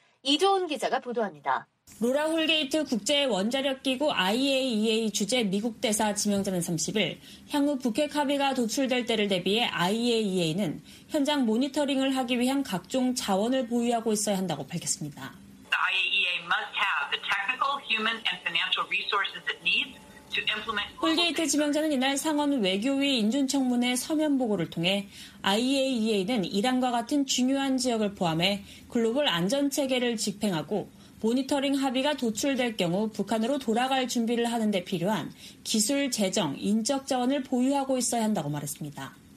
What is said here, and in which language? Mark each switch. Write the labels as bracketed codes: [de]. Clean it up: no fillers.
[ko] 이조은 기자가 보도합니다. 로라 홀게이트 국제원자력기구 IAEA 주재 미국 대사 지명자는 30일 향후 북핵 합의가 도출될 때를 대비해 IAEA는 현장 모니터링을 하기 위한 각종 자원을 보유하고 있어야 한다고 밝혔습니다. [en] IAEA must have the technical, human and financial resources it needs to implement. [ko] 홀게이트 지명자는 이날 상원 외교위 인준청문회 서면 보고를 통해 IAEA는 이란과 같은 중요한 지역을 포함해 글로벌 안전체계를 집행하고 모니터링 합의가 도출될 경우 북한으로 돌아갈 준비를 하는 데 필요한 기술, 재정, 인적 자원을 보유하고 있어야 한다고 말했습니다.